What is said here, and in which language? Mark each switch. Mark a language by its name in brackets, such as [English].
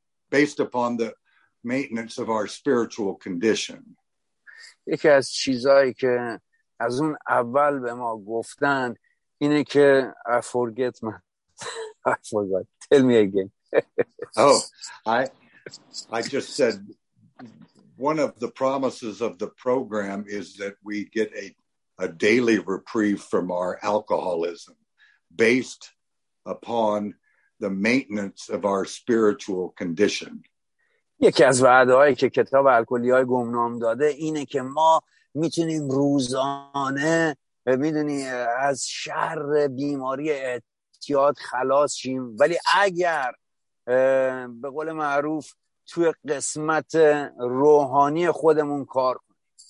[English] Based upon the maintenance of our spiritual condition. [Persian] یکی از چیزایی که از اون اول به ما گفتن اینه که [English] I forgot. Tell me again. Oh, I just said one of the promises of the program is that we get a daily reprieve from our alcoholism based upon the maintenance of our spiritual condition. [Persian] یکی از وعده‌هایی که کتاب الکلی‌های گمنام داده اینه که ما میتونیم روزانه میدونی از شر بیماری اعتیاد خلاص شیم، ولی اگر به قول معروف توی قسمت روحانی خودمون کار کنیم.